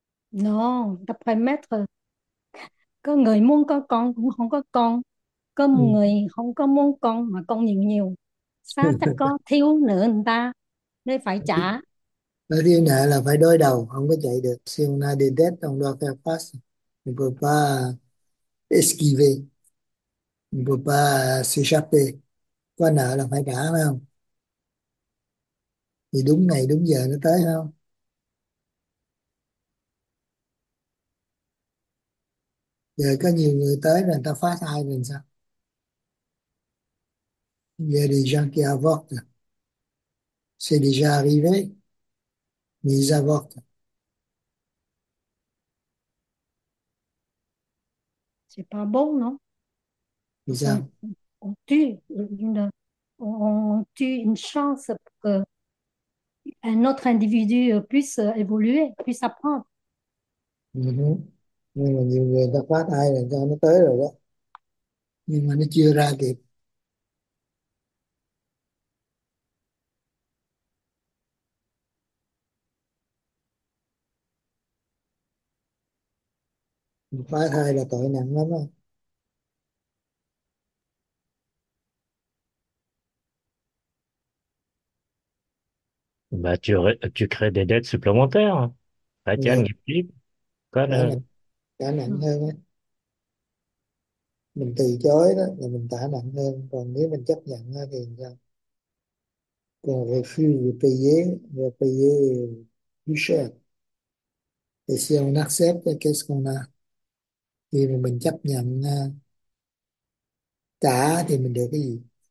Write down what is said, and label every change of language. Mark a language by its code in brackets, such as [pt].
[vi] Nó no, tập phải mét. Có người muốn có con cũng không có con, có một người không có muốn con mà con nhiều nhiều, sao chắc có thiếu nợ người ta nên phải Thì trả. nợ là phải đối đầu, không có chạy được. [fr] Si on a des dettes, on doit faire face. On peut pas esquiver. On peut pas s'échapper. [vi] Có nợ là phải trả, phải không? Thì đúng ngày đúng giờ nó tới, không? Giờ có nhiều người tới rồi, người ta phá thai rồi sao? [fr] Il y a des gens qui avortent. C'est déjà arrivé, mais ils avortent. C'est pas bon, non? Ils On avortent. tue une, on tue une chance pour que un autre individu puisse évoluer, puisse apprendre. [vi] Nhưng mà nhiều người ta phá thai là cho nó tới rồi đó, nhưng mà nó chưa ra kịp. Phá thai là tội nặng lắm đó. [fr] Bah, tu crées des dettes supplémentaires. Bah, tiens, [vi] Là Nghiệp con trả nặng, hơn á, mình từ chối đó là mình trả nặng hơn, còn nếu mình chấp nhận đó, thì sao, còn [fr] refuse de payer de payer plus cher, [vi] thì [fr] si on accepte qu'est-ce qu'on a, [vi] khi mà mình chấp nhận trả thì mình được cái gì?